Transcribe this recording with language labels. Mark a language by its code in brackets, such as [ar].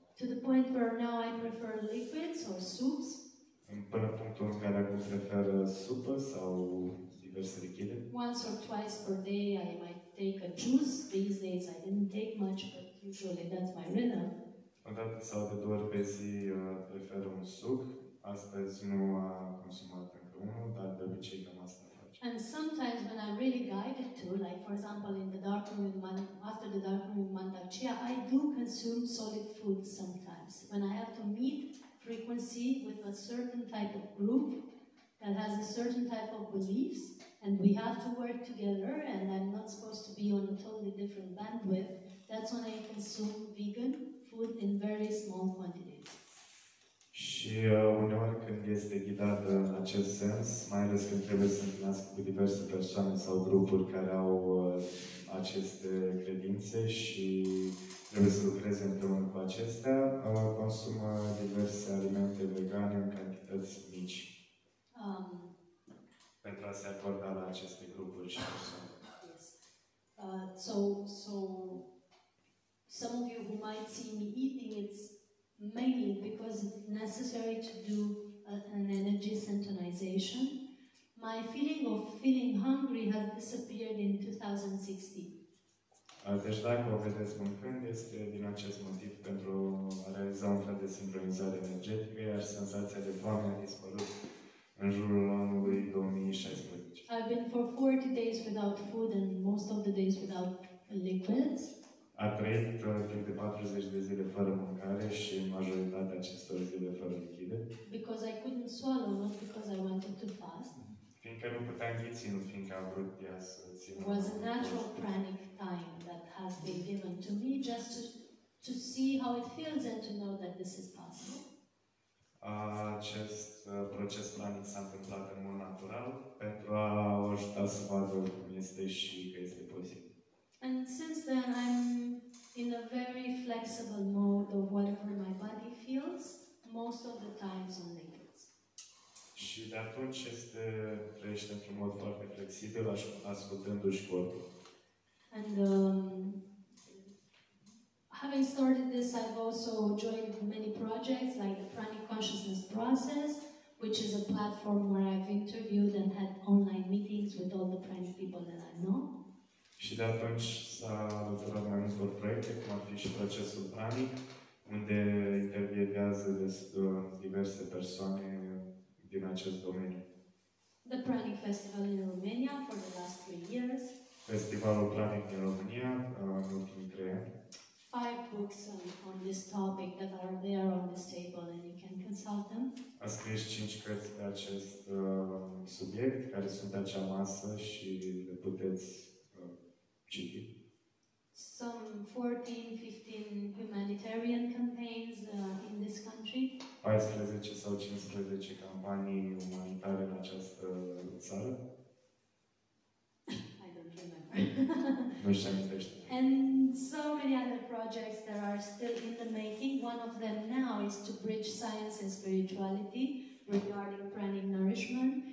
[en] To the point where now I prefer liquids or soups. [ro] Până în punctul în care acum prefer supă sau diverse lichide. [en] Once or twice per day I might take a juice. These days I didn't take much, but usually that's my rhythm. [ro] O dată sau de două ori pe zi prefer un suc. Astăzi nu am consumat încă unul, dar de obicei cam asta. [en] And sometimes when I'm really guided to, like for example in the dark room after the dark room with Mantak Chia, I do consume solid food sometimes when I have to meet for frequency with a certain type of group that has a certain type of beliefs, and we have to work together, and I'm not supposed to be on a totally different bandwidth. That's when I consume vegan food in very small quantities. [ro] Și uneori când este ghidat în acest sens, mai ales când trebuie să întâlnesc cu diverse persoane sau grupuri care au aceste credințe și trebuie să lucreze împreună cu acestea, consumă diverse alimente vegane în cantități mici. Pentru a se acorda la aceste grupuri și persoane. [en] Yes. So some of you who might see me eating, it's mainly because it's necessary to do an energy synchronization. My feeling of feeling hungry has disappeared in 2016. [ro] Deci dacă o vedeți mâncând, este din acest motiv pentru a realiza un fel de sincronizare energetică, iar senzația de foame a dispărut în jurul anului 2016. [en] I've been for 40 days without food and most of the days without liquids. [ro] A trăit timp de 40 de zile fără mâncare și majoritatea acestor zile fără lichide. [en] Because I couldn't swallow, not because I wanted to fast. [ro] Fiindcă nu puteam ghiți, nu fiindcă am vrut ea să țin. [en] It was a natural pranic time that has been given to me just to see how it feels and to know that this is possible. [ro] Acest proces pranic s-a întâmplat în mod natural pentru a o ajuta să vadă cum este și că este posibil. [en] And since then I'm in a very flexible mode of whatever my body feels, most of the times on liquids. [ro] Și de atunci este trăiește într-un mod foarte flexibil, ascultându-și corpul. [en] And having started this, I've also joined many projects like the Pranic Consciousness Process, which is a platform where I've interviewed and had online meetings with all the pranic people that I know. [ro] Și de atunci s-a alăturat mai multor proiecte, cum ar fi și procesul Pranic, unde intervievează diverse persoane din acest domeniu. [en] The Pranic Festival in Romania for the last 3 years. [ro] Festivalul Pranic din România în ultimii 3 ani. [en] 5 books on this topic that are there on this table and you can consult them. [ro] A scris 5 cărți pe acest subiect care sunt pe acea masă și le puteți citi. [en] Some 14-15 humanitarian campaigns in this country. [ro] 14 sau 15 campanii umanitare în această țară. [en] I don't remember. [ro] Nu știu amintește. [en] And so many other projects that are still in the making. One of them now is to bridge science and spirituality regarding pranic nourishment.